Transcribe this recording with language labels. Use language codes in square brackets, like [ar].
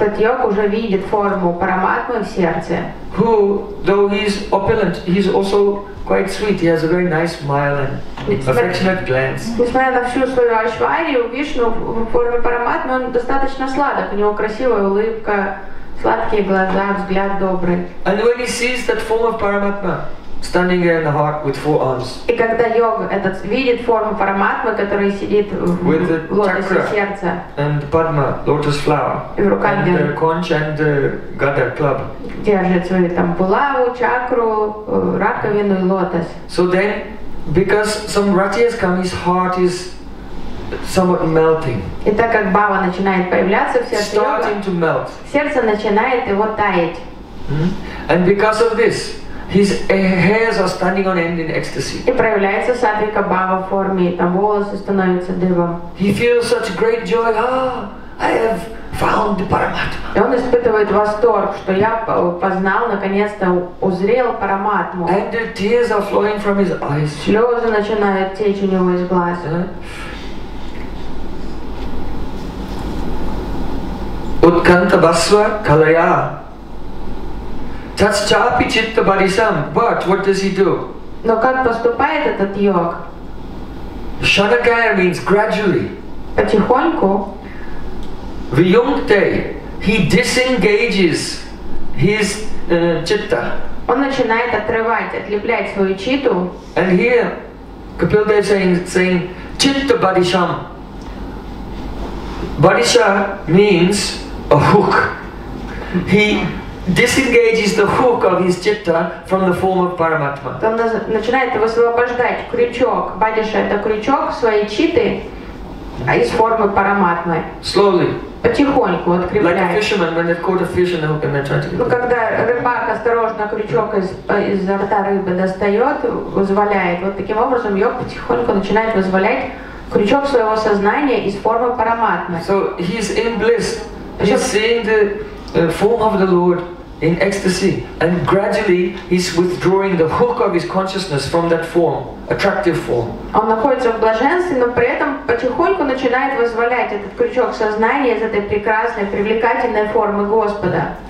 [ru] Этот йог уже видит форму Параматмы в сердце. [en] Who, though he is opulent, he is also quite sweet. He has a very nice smile and affectionate glance. [ru] Несмотря на всю свою айшварию, Вишну в форме Параматмы он достаточно сладок. У него красивая улыбка, сладкие глаза, взгляд добрый. [en] And when he sees that form of Paramatma standing there in the heart with four arms. [ru] И когда йог этот видит форму Параматмы, который сидит в лотосе сердца. [en] And the padma, lotus flower. [ru] И в руках держит. [en] And the conch and the gada club. [ru] Держит свою там булаву, чакру, раковину и лотос. [en] So then, because some rati has come, his heart is somewhat melting. [ru] И так как бава начинает появляться в сердце йога. [en] Starting to melt. [ru] Сердце начинает его таять. [en] And because of this, his hairs are standing on end in ecstasy. [ru] И проявляется сатвика бхава в форме, там волосы становятся дыбом. [en] He feels such great joy. Ah, I have found the Paramatma. [ru] И он испытывает восторг, что я познал, наконец-то узрел Параматму. [en] And the tears are flowing from his eyes. [ru] Слезы начинают течь у него из глаз. [sa] Utkanta basva kalaya. Tatschapi chitta barisam, [en] but what does he do? [ru] Но как поступает этот йог? [en] Shanakaya means gradually. [ru] Потихоньку. [en] Viyunkte, he disengages his chitta. [ru] Он начинает отрывать, отлеплять свою читу. [en] And here, Kapilda is saying chitta barisam. Barisha means a hook. He disengages the hook of his citta from the form of Paramatma. [ru] Там начинает высвобождать крючок. Бадиша — это крючок своей читы, а из формы Параматмы. [en] Slowly. [ru] Потихоньку откривляет. [en] Like a fisherman when they've caught a fish in the hook and they're trying to. [ru] Ну когда рыбак осторожно крючок из рта рыбы достает, вызволяет. Вот таким образом йог потихоньку начинает вызволять крючок своего сознания из формы Параматмы. [en] So he's in bliss. He's seeing the form of the Lord in ecstasy, and gradually he's withdrawing the hook of his consciousness from that form, attractive form. [ru] Он находится в блаженстве, но при этом потихоньку начинает вызволять этот крючок сознания из этой прекрасной, привлекательной формы Господа.